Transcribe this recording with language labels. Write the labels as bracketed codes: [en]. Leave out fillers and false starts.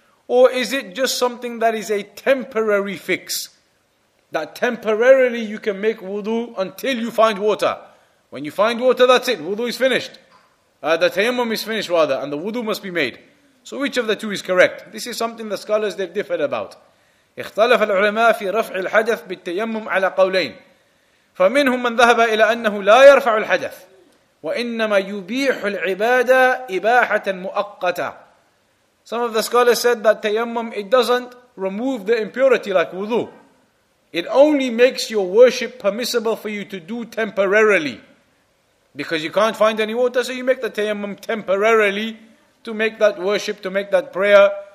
[en] Or is it just something that is a temporary fix? That temporarily you can make wudu until you find water. When you find water, that's it. Wudu is finished. The tayammum is finished rather, and the wudu must be made. So which of the two is correct? This is something the scholars, they've differed about. [ar] اختلف العلماء في رفع الحدث بالتيمم على قولين فمنهم من ذهب إلى أنه لا يرفع الحدث وإنما يبيح العبادة إباحة مؤقتة. [en] Some of the scholars said that tayammum, it doesn't remove the impurity like wudu. It only makes your worship permissible for you to do temporarily. Because you can't find any water, so you make the tayammum temporarily to make that worship, to make that prayer.